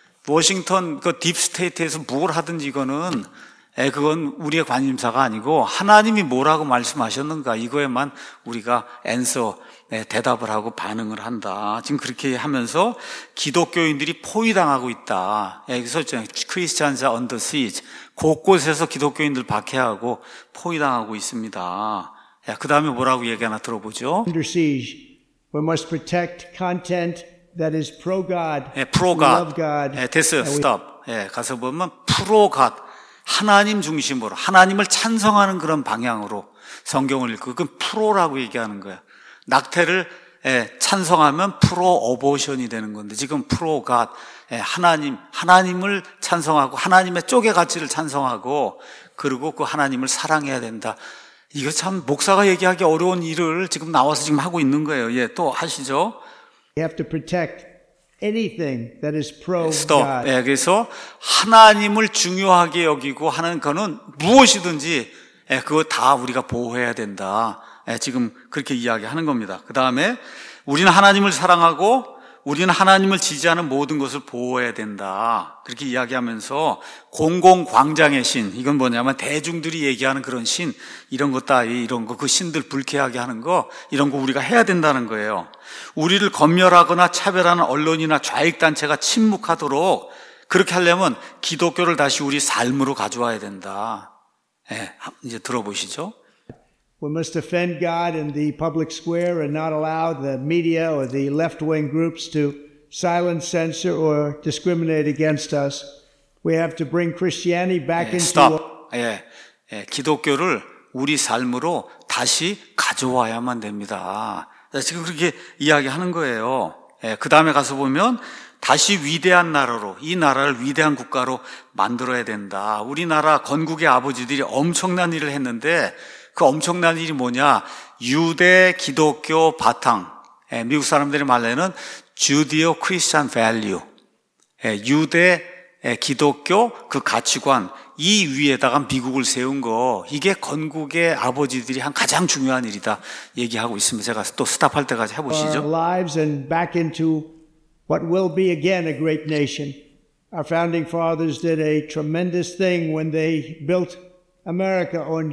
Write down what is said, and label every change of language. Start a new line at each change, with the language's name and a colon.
Korean: 워싱턴 그 딥스테이트에서 뭘 하든지 이거는 그건 우리의 관심사가 아니고 하나님이 뭐라고 말씀하셨는가 이거에만 우리가 answer 대답을 하고 반응을 한다. 지금 그렇게 하면서 기독교인들이 포위당하고 있다. 여기서
English: Christians are under siege.
Korean: 곳곳에서 기독교인들 박해하고 포위당하고 있습니다. 그 다음에 뭐라고 얘기하나 들어보죠.
English: Under siege. We must protect content that is pro-God. Pro-God. Love God. Stop.
Korean: 가서 보면 pro-God. 하나님 중심으로 하나님을 찬성하는 그런 방향으로 성경을 읽고 그건 프로라고 얘기하는 거야. 낙태를 찬성하면 프로 어보션이 되는 건데 지금 프로 갓 하나님을 찬성하고 하나님의 쪽의 가치를 찬성하고 그리고 그 하나님을 사랑해야 된다. 이거 참 목사가 얘기하기 어려운 일을 지금 나와서 지금 하고 있는 거예요. 예, 또 하시죠.
English: You have to protect anything that is pro God.
Korean: 그래서 하나님을 중요하게 여기고 하는 거는 무엇이든지 그거 다 우리가 보호해야 된다. 지금 그렇게 이야기하는 겁니다. 그 다음에 우리는 하나님을 사랑하고 우리는 하나님을 지지하는 모든 것을 보호해야 된다. 그렇게 이야기하면서 공공광장의 신, 이건 뭐냐면 대중들이 얘기하는 그런 신, 이런 것 따위, 이런 거, 그 신들 불쾌하게 하는 거, 이런 거 우리가 해야 된다는 거예요. 우리를 검열하거나 차별하는 언론이나 좌익단체가 침묵하도록 그렇게 하려면 기독교를 다시 우리 삶으로 가져와야 된다. 이제 들어보시죠.
English: We must defend God in the public square and not allow the media or the left-wing groups to silence, censor, or discriminate against us. We have to bring Christianity back into our...
Korean: 기독교를 우리 삶으로 다시 가져와야만 됩니다. 지금 그렇게 이야기하는 거예요. 그 다음에 가서 보면 다시 위대한 나라로 이 나라를 위대한 국가로 만들어야 된다. 우리나라 건국의 아버지들이 엄청난 일을 했는데 그 엄청난 일이 뭐냐? 유대 기독교 바탕. 미국 사람들이 말하는
English: Judeo Christian value.
Korean: 유대 기독교 그 가치관 이 위에다가 미국을 세운 거. 이게 건국의 아버지들이 한 가장 중요한 일이다 얘기하고 있습니다. 제가 또 스탑할 때까지 해 보시죠.
English: Lives and back into what will be again a great nation. Our founding fathers did a tremendous thing when they built America on